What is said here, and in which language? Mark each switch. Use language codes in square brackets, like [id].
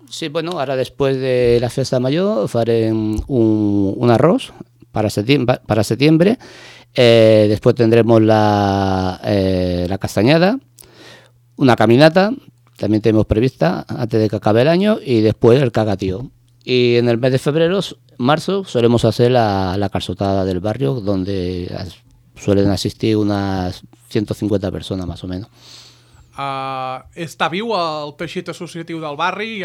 [ca] Sí, bueno, ara després de la festa major farem un arròs para setembre, després tindrem la castanyada, una caminata, també tenim prevista [es] antes de que acabe [ca] el any, i després el cagatió. [es] Y en el mes de febrero, marzo, solemos hacer la calzotada del barrio, donde suelen asistir unas 150 personas, más o menos. [ca] Està viu el teixit associatiu del barri?